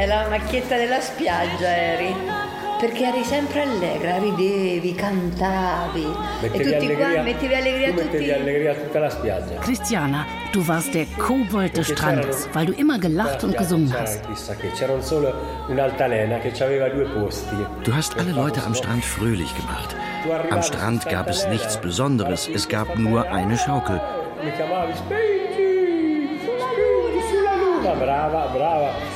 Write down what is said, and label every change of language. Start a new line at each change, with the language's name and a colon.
Italian: Macchietta della spiaggia eri, perché eri sempre allegra, ridevi, cantavi, mettevi e tutti allegria, qua mettevi allegria tu mettevi tutti. Allegria tutta la spiaggia.
German: Cristiana, tu warst der Kobold des Strandes, weil du immer gelacht und gesungen hast.
Italian: C'era solo un'altalena che aveva due posti.
German: Du hast alle Leute am Strand fröhlich gemacht. Am Strand gab es nichts Besonderes, es gab nur eine Schaukel.
Italian: Mi chiamavi Spinky, Spinky sulla luna, brava, brava.